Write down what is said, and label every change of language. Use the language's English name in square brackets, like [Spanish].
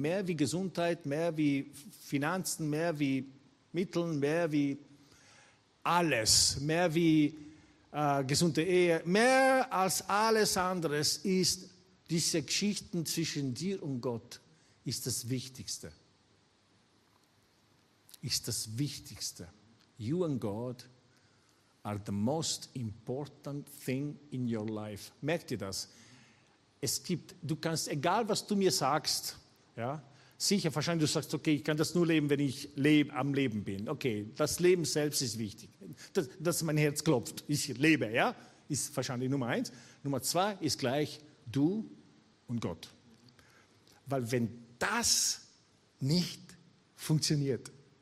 [German] Mehr wie Gesundheit, mehr wie Finanzen, mehr wie Mittel, mehr wie alles, mehr wie gesunde Ehe, mehr als alles anderes ist diese Geschichten zwischen dir und Gott ist das Wichtigste. Ist das Wichtigste. [English] You and God are the most important thing in your life. [German] Merkt ihr das? Es gibt, du kannst, egal was du mir sagst, ja, sicher, wahrscheinlich du sagst, okay, ich kann das nur leben, wenn ich am Leben bin. Okay, das Leben selbst ist wichtig. Dass mein Herz klopft, ich lebe, ja, ist wahrscheinlich Nummer eins. Nummer zwei ist gleich du und Gott. Weil wenn das nicht funktioniert,